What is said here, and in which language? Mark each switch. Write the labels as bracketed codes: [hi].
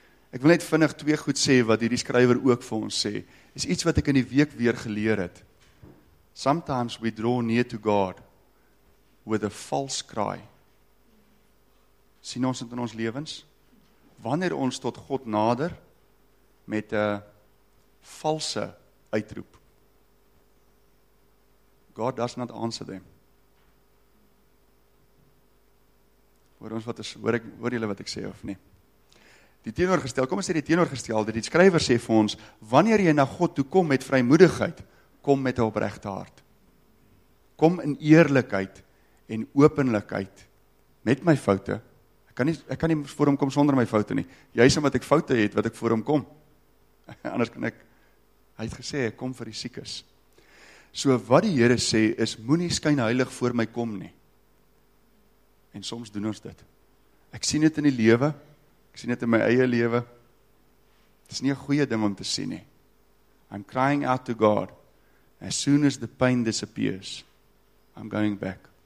[af] Ek wil net vinnig twee goed sê wat hierdie skrywer ook vir ons sê. Is iets wat ek in die week weer geleer het. [en] Sometimes we draw near to God with a false cry. [af] Sien ons dit in ons lewens? Wanneer ons tot God nader met 'n valse uitroep. [en] God does not answer them. [af] Hoor julle wat ek sê of nie? Die teenoorgestelde, die skrywer sê vir ons, wanneer jy na God toe kom met vrymoedigheid, kom met 'n opregte hart. Kom in eerlikheid en openlikheid met my foute. Ek kan nie voor hom kom sonder my foute nie. Juis omdat ek foute het, wat ek voor hom kom. Anders kan ek, hy het gesê, ek kom vir die siekes. So wat die Here sê, is moenie skynheilig voor my kom nie. En soms doen ons dit. Ek sien dit in die lewe, ek sien dit in my eie lewe. Het is nie een goeie ding om te sien nie. [en] I'm crying out to God, as soon as the pain disappears, I'm going back.